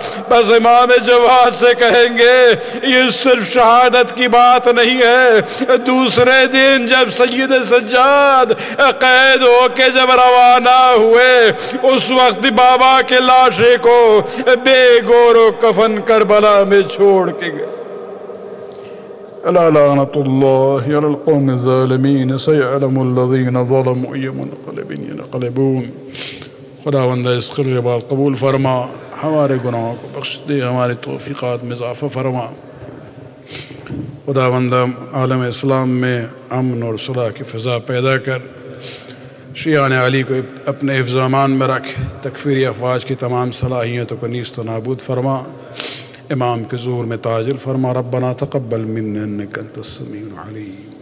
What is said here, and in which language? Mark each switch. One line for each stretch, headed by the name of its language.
Urdu: بس امام جواد سے کہیں گے یہ صرف شہادت کی بات نہیں ہے. دوسرے دن جب سید سجاد قید ہو کے جب روانہ ہوئے, اس وقت بابا کے لاشے کو بے گور و کفن کربلا میں چھوڑ کے گئے.
Arabic: لعنة الله على القوم الظالمين سيعلم الذين ظلموا أي منقلب ينقلبون.
Urdu: خداوند اس قرآن کو قبول فرما, ہمارے گناہوں کو بخش دے, ہماری توفیقات میں اضافہ فرما. خداوند عالم اسلام میں امن اور صلح کی فضا پیدا کر, شیعان علی کو اپنے حفظ و امان میں رکھ, تکفیری افواج کی تمام صلاحیتوں کو نیست و نابود فرما, امام کے ظہور میں تاجل فرما.
Arabic: ربنا تقبل منا انک انت السمیع العلیم.